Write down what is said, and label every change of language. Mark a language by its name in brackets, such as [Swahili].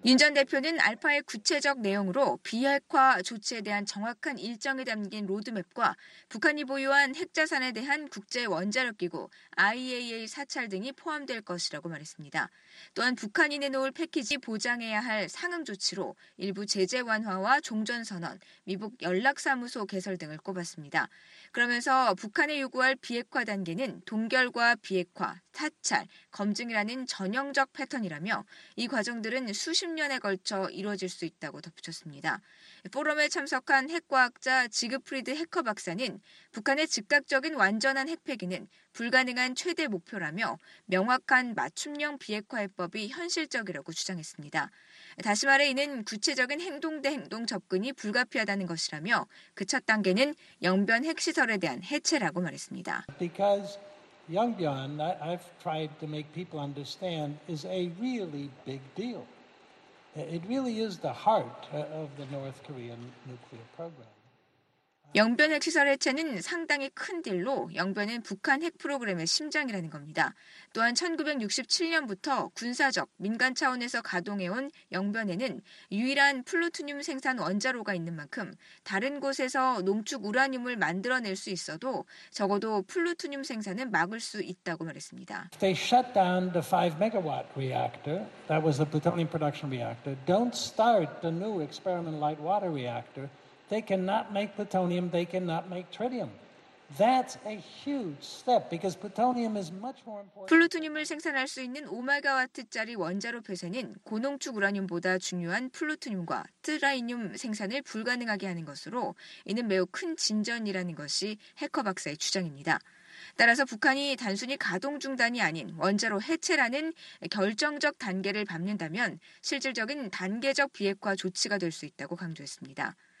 [Korean] 윤 전 대표는 알파의 구체적 내용으로 비핵화 조치에 대한 정확한 일정이 담긴 로드맵과 북한이 보유한 핵자산에 대한 국제원자력기구, IAEA 사찰 등이 포함될 것이라고 말했습니다. 또한 북한이 내놓을 패키지 보장해야 할 상응 조치로 일부 제재 완화와 종전선언, 미국 연락사무소 개설 등을 꼽았습니다. 그러면서 북한에 요구할 비핵화 단계는 동결과 비핵화, 사찰, 검증이라는 전형적 패턴이라며 이 과정들은 수십 년에 걸쳐 이루어질 수 있다고 덧붙였습니다. 포럼에 참석한 핵과학자 지그프리드 해커 박사는 북한의 즉각적인 완전한 핵폐기는 불가능한 최대 목표라며 명확한 맞춤형 비핵화 해법이 현실적이라고 주장했습니다. 다시 말해 이는 구체적인 행동 대 행동 접근이 불가피하다는 것이라며 그 첫 단계는 영변 핵시설에 대한 해체라고 말했습니다. [English] Because Yongbyon, I've tried to make people understand, is a really big deal. It really is the heart of the North Korean nuclear program. [Korean] 영변 핵시설 해체는 상당히 큰 딜로 영변은 북한 핵 프로그램의 심장이라는 겁니다. 또한 1967년부터 군사적, 민간 차원에서 가동해온 영변에는 유일한 플루토늄 생산 원자로가 있는 만큼 다른 곳에서 농축 우라늄을 만들어낼 수 있어도 적어도 플루토늄 생산은 막을 수 있다고 말했습니다. [English] If they shut down the 5-megawatt reactor, that was the plutonium production reactor, don't start the new experiment light water reactor, they cannot make plutonium, they cannot make tritium. That's a huge step because plutonium is much more important. [Korean] 플루토늄을 생산할 수 있는 5메가와트짜리 원자로 폐쇄는 고농축 우라늄보다 중요한 플루토늄과 트라이늄 생산을 불가능하게 하는 것으로 이는 매우 큰 진전이라는 것이 해커 박사의 주장입니다. 따라서 북한이 단순히 가동 중단이 아닌 원자로 해체라는 결정적 단계를 밟는다면 실질적인 단계적 비핵화 조치가 될 수 있다고 강조했습니다.